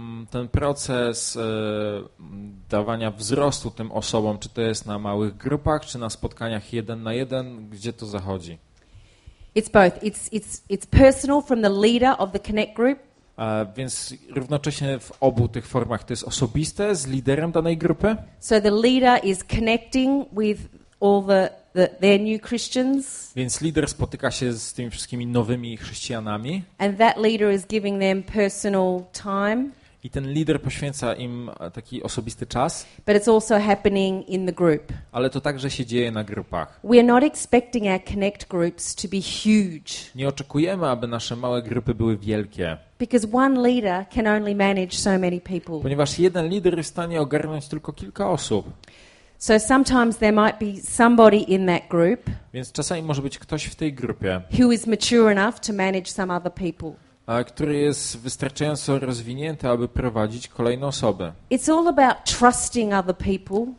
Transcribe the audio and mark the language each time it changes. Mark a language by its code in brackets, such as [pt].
[pl] ten proces dawania wzrostu tym osobom, czy to jest na małych grupach, czy na spotkaniach jeden na jeden, gdzie to zachodzi? [en] It's both. It's personal from the leader of the Connect group. [pl] Więc równocześnie w obu tych formach to jest osobiste z liderem danej grupy. [en] So the leader is connecting with all their new Christians. [pl] Więc lider spotyka się z tymi wszystkimi nowymi chrześcijanami. [en] And that leader is giving them personal time. [pl] I ten lider poświęca im taki osobisty czas. [en] But it's also happening in the group. [pl] Ale to także się dzieje na grupach. [en] We are not expecting our connect groups to be huge. [pl] Nie oczekujemy, aby nasze małe grupy były wielkie. [en] Because one leader can only manage so many people. [pl] Ponieważ jeden lider jest w stanie ogarnąć tylko kilka osób. [en] So sometimes there might be somebody in that group. [pl] Więc czasami może być ktoś w tej grupie. [en] Who is mature enough to manage some other people. [pl] A który jest wystarczająco rozwinięty, aby prowadzić kolejne osoby. [en] It's all about trusting other people.